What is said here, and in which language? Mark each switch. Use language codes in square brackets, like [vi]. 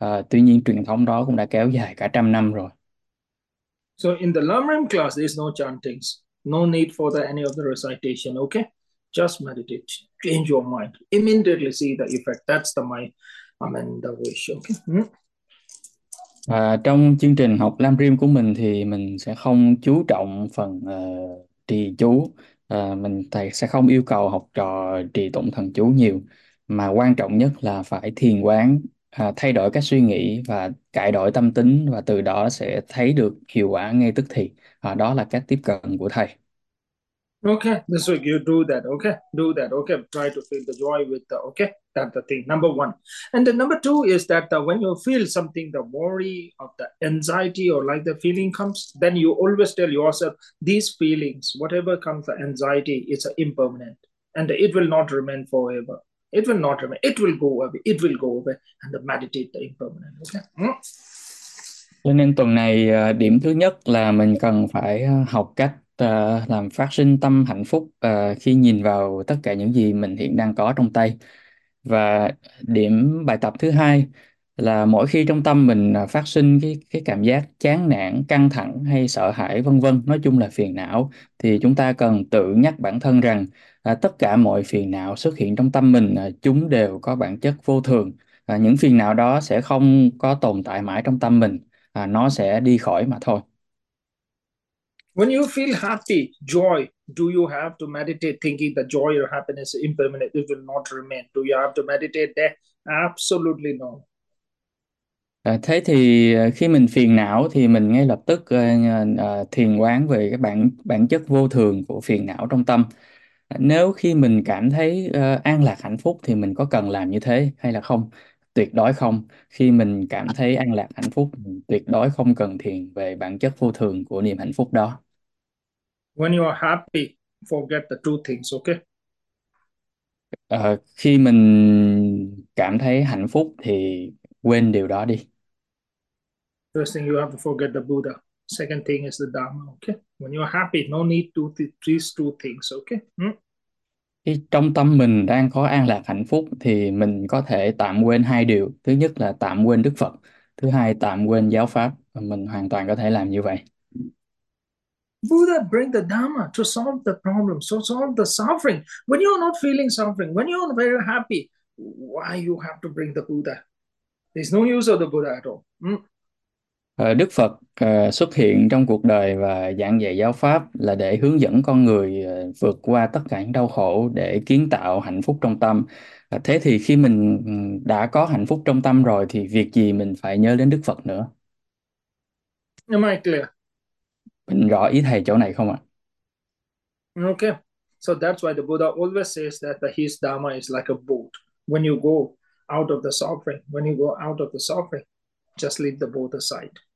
[vi] Tuy nhiên truyền thống đó cũng đã kéo dài cả trăm năm rồi. [en] So in the Lamrim class, there is no chantings, no need for the, any of the recitation, okay? Just meditate, change your mind, immediately see the effect. That's the my, I mean, the wish, okay? Hmm? [vi] Trong chương trình học Lam Rim của mình thì mình sẽ không chú trọng phần trì chú. Mình thầy sẽ không yêu cầu học trò trì tụng thần chú nhiều. Mà quan trọng nhất là phải thiền quán, thay đổi các suy nghĩ và cải đổi tâm tính và từ đó sẽ thấy được hiệu quả ngay tức thì. Đó là cách tiếp cận của thầy. [en] Okay, this week you do that, okay? Do that, okay? Try to feel the joy with the, okay? That's the thing, number one. And the number two is that when you feel something, the worry of the anxiety or like the feeling comes, then you always tell yourself, these feelings, whatever comes, the anxiety, it's impermanent. And it will not remain forever. It will not remain. It will go away. It will go away. And meditate the impermanent, okay? Mm? [vi] Cho nên tuần này điểm thứ nhất là mình cần phải học cách làm phát sinh tâm hạnh phúc khi nhìn vào tất cả những gì mình hiện đang có trong tay. Và điểm bài tập thứ hai là mỗi khi trong tâm mình phát sinh cái cảm giác chán nản, căng thẳng hay sợ hãi vân vân, nói chung là phiền não, thì chúng ta cần tự nhắc bản thân rằng tất cả mọi phiền não xuất hiện trong tâm mình chúng đều có bản chất vô thường. Những phiền não đó sẽ không có tồn tại mãi trong tâm mình. Nó sẽ đi khỏi mà thôi. [en] When you feel happy, joy, do you have to meditate thinking the joy or happiness is impermanent, it will not remain? Do you have to meditate that? Absolutely no. [vi] Thế thì khi mình phiền não thì mình ngay lập tức thiền quán về cái bản chất vô thường của phiền não trong tâm. Nếu khi mình cảm thấy an lạc hạnh phúc thì mình có cần làm như thế hay là không? Tuyệt đối không. Khi mình cảm thấy an lạc hạnh phúc, tuyệt đối không cần thiền về bản chất vô thường của niềm hạnh phúc đó. [en] When you are happy, forget the two things, okay? [vi] Khi mình cảm thấy hạnh phúc thì quên điều đó đi. [en] First thing you have to forget the Buddha. Second thing is the Dharma, okay? When you are happy, no need to these two things, okay? Hmm? [vi] Khi trong tâm mình đang có an lạc hạnh phúc thì mình có thể tạm quên hai điều. Thứ nhất là tạm quên Đức Phật. Thứ hai, tạm quên giáo pháp. Mình hoàn toàn có thể làm như vậy. [en] Buddha bring the Dharma to solve the problem, so solve the suffering. When you're not feeling suffering, when you're very happy, why you have to bring the Buddha? There's no use of the Buddha at all. Hmm? [vi] Đức Phật xuất hiện trong cuộc đời và giảng dạy giáo pháp là để hướng dẫn con người vượt qua tất cả những đau khổ để kiến tạo hạnh phúc trong tâm. Thế thì khi mình đã có hạnh phúc trong tâm rồi thì việc gì mình phải nhớ đến Đức Phật nữa? [en] Am I clear? [vi] Mình rõ ý thầy chỗ này không ạ? [en] Okay, so that's why the Buddha always says that his Dharma is like a boat. When you go out of the suffering, when you go out of the suffering, just leave the boat aside.